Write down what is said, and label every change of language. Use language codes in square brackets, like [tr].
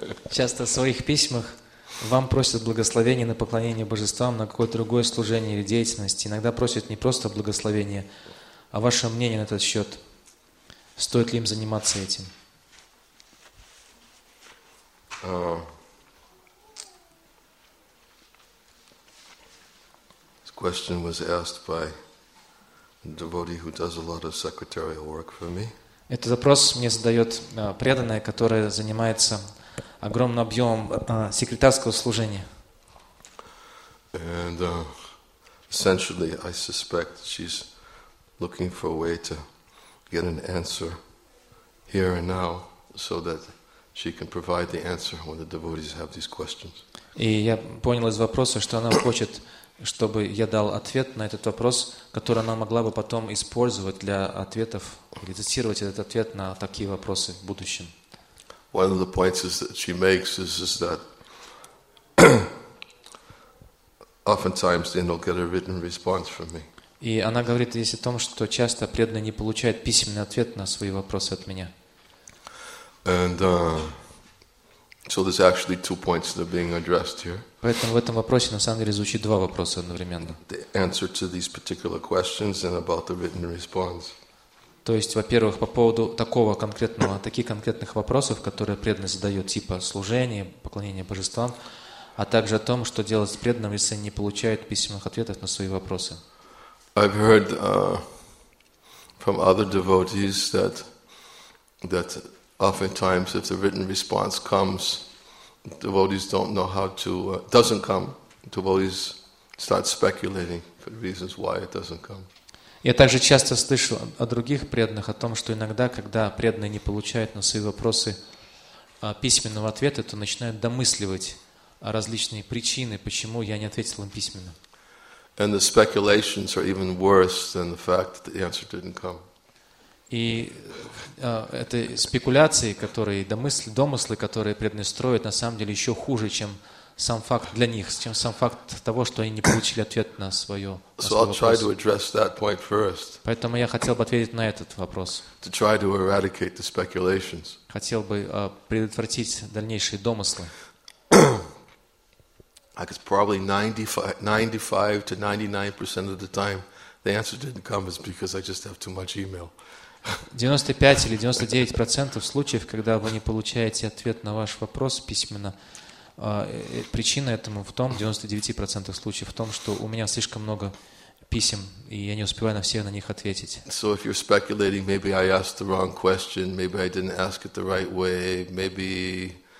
[ru] Часто в своих письмах вам просят благословения на поклонение божествам, на какое-то другое служение или деятельность. Иногда просят не просто благословения, а ваше мнение на этот счет. Стоит ли им заниматься этим? [en] This question was asked by a devotee who does a lot of secretarial work for me. [ru] Этот запрос мне задает преданная, которая занимается огромным объемом секретарского служения. [en] And essentially, I suspect she's looking for a way to get an answer here and now, so that she can provide the answer when the devotees have these questions. [ru] И я понял из вопроса, что она хочет, чтобы я дал ответ на этот вопрос, который она могла бы потом использовать для ответов или цитировать этот ответ на такие вопросы в будущем. [en] One of the points is that she makes is that oftentimes they don't get a written response from me. [ru] И она говорит здесь о том, что часто преданные не получают письменный ответ на свои вопросы от меня. [en] And so there's actually two points that are being addressed here. [ru] Поэтому в этом вопросе на самом деле звучит два вопроса одновременно. [en] The answer to these particular questions and about the written response. [ru] То есть, во-первых, по поводу такого конкретного, таких конкретных вопросов, которые преданный задает, типа служения, поклонения божествам, а также о том, что делать с преданным, если не получает письменных ответов на свои вопросы. [en] I've heard from other devotees that oftentimes if the written response comes, devotees don't know how to doesn't come. Devotees start speculating for reasons why it doesn't come. [ru] Я также часто слышал о других преданных о том, что иногда, когда преданные не получают на свои вопросы письменного ответа, то начинают домысливать различные причины, почему я не ответил им письменно. [en] And the speculations are even worse than the fact that the answer didn't come. [ru] И это спекуляции, которые домыслы, которые преданные строят, на самом деле еще хуже, чем сам факт для них, чем сам факт того, что они не получили ответ на свое. [en] So I'll try to address that point first. [ru] Поэтому я хотел бы ответить на этот вопрос. [en] To try to eradicate the speculations. [ru] Хотел бы предотвратить дальнейшие домыслы. [en] Like it's probably 95 to 99% of the time the answer didn't come is because I just have too much email. [ru] 95 или 99% случаев, когда вы не получаете ответ на ваш вопрос письменно, причина этому в том, 99% случаев в том, что у меня слишком много писем и я не успеваю на все на них ответить. [en] So if you're speculating, maybe I asked the wrong question, maybe I didn't ask it the right way, maybe.